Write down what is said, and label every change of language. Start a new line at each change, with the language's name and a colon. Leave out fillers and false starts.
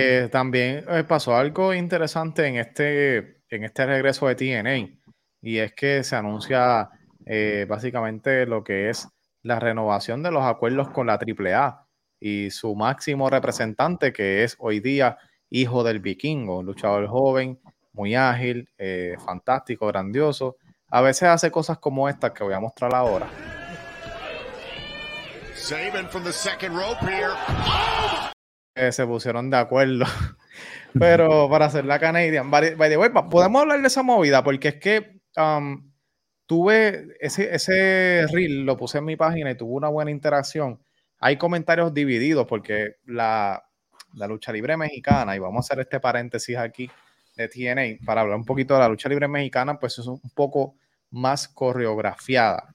Spanish: También pasó algo interesante en este regreso de TNA, y es que se anuncia básicamente lo que es la renovación de los acuerdos con la AAA y su máximo representante, que es hoy día Hijo del Vikingo, un luchador joven, muy ágil, fantástico, grandioso. A veces hace cosas como estas que voy a mostrar ahora.
English: Saban from the second rope here.
Spanish: Se pusieron de acuerdo. Pero para hacer la Canadian,
English: by the way,
Spanish: podemos hablar de esa movida, porque es que tuve ese reel, lo puse en mi página y tuvo una buena interacción. Hay comentarios divididos, porque la lucha libre mexicana, y vamos a hacer este paréntesis aquí de TNA para hablar un poquito de la lucha libre mexicana, pues es un poco más coreografiada.